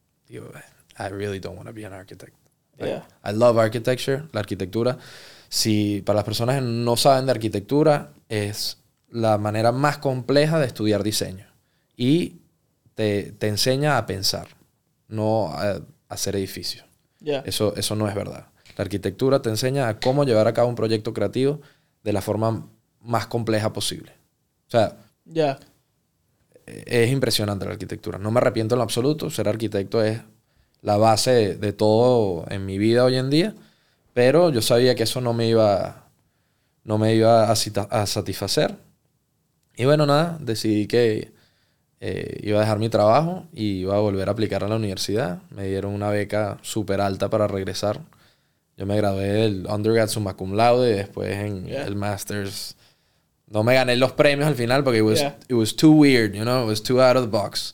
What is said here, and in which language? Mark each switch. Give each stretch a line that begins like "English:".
English: Digo, I really don't want to be an architect. Yeah. I love architecture.
Spanish: La arquitectura. Si para las personas que no saben de arquitectura... Es la manera más compleja de estudiar diseño. Y te enseña a pensar, no a hacer edificios.
English: Yeah.
Spanish: Eso no es verdad. La arquitectura te enseña a cómo llevar a cabo un proyecto creativo de la forma más compleja posible. O sea,
English: yeah.
Spanish: es impresionante la arquitectura. No me arrepiento en lo absoluto. Ser arquitecto es la base de todo en mi vida hoy en día. Pero yo sabía que eso no me iba a satisfacer. Y bueno, nada, decidí que iba a dejar mi trabajo y iba a volver a aplicar a la universidad. Me dieron una beca súper alta para regresar. Yo me gradué del undergrad summa cum laude y después en yeah. el master's. No me gané los premios al final porque
English: it was too weird, you know? It was too out of the box.